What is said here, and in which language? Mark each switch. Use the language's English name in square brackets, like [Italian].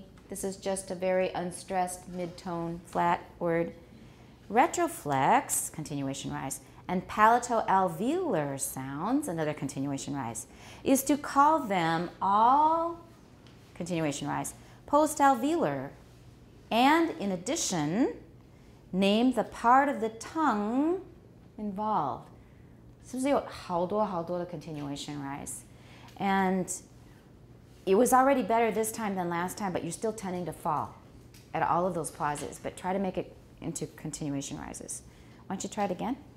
[English] this is just a very unstressed mid-tone flat word, retroflex, continuation rise, and palato-alveolar sounds, another continuation rise, is to call them all, continuation rise, post-alveolar, and in addition,Name the part of the tongue involved. [Chinese] 是不是有好多好多的 continuation rise? [English] And it was already better this time than last time, but you're still tending to fall at all of those pauses. But try to make it into continuation rises. Why don't you try it again?